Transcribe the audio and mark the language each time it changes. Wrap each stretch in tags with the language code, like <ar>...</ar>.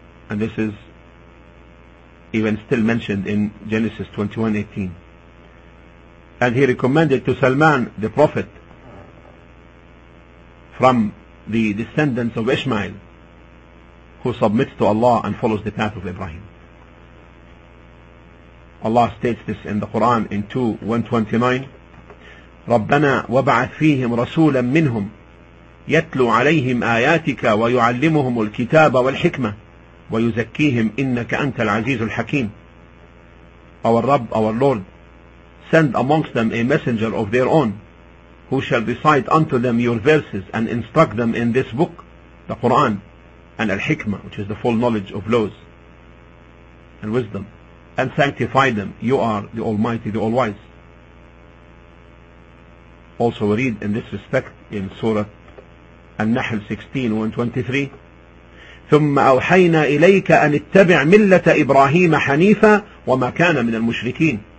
<en>And this is even still mentioned in Genesis 21:18. And he recommended to Salman, the prophet, from the descendants of Ishmael, who submits to Allah and follows the path of Ibrahim. Allah states this in the Quran in 2:129,</en> <ar>رَبَّنَا وَبَعَثْ فِيهِمْ رَسُولًا مِّنْهُمْ يَتْلُوا عَلَيْهِمْ آيَاتِكَ وَيُعَلِّمُهُمُ الْكِتَابَ وَالْحِكْمَةَ وَيُزَكِّيهِمْ إِنَّكَ أَنْتَ الْعَزِيزُ الْحَكِيمُ.</ar> <en>Our Rabb, our Lord, send amongst them a messenger of their own, who shall recite unto them your verses and instruct them in this book, the Quran, and al-Hikmah, which is the full knowledge of laws and wisdom, and sanctify them. You are the Almighty, the All-Wise. Also we read in this respect in Surah An-Nahl 16:123,</en> <ar>ثُمَّ أَوْحَيْنَا إِلَيْكَ أَنِ اتَّبِعْ مِلَّةَ إِبْرَاهِيمَ حَنِيفًا وَمَا كَانَ مِنَ الْمُشْرِكِينَ.</ar>